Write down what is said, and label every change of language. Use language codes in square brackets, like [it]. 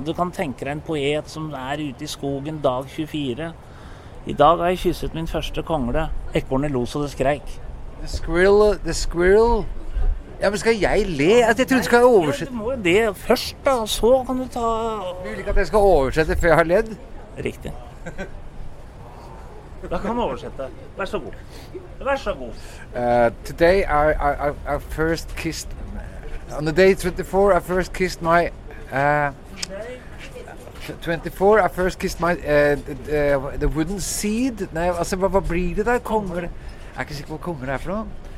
[no] Du kan tenke deg en poet som ute i skogen dag 24. I dag har jeg kysset min første kongle. Ekkornet lo så det skreik. [en] The squirrel? [no] Ja, men skal jeg le? Altså, jeg tror du skal oversette. Ja, du må jo det først, da. Så kan du ta... Du vil ikke at jeg skal oversette før jeg har ledd? Riktig. [en] Today I first kissed on the day 24 I first kissed my 24 I first kissed my the wooden seed. [sv] Nej, alltså vad blir det där kommer? Jag kan inte se vad kommer därifrån.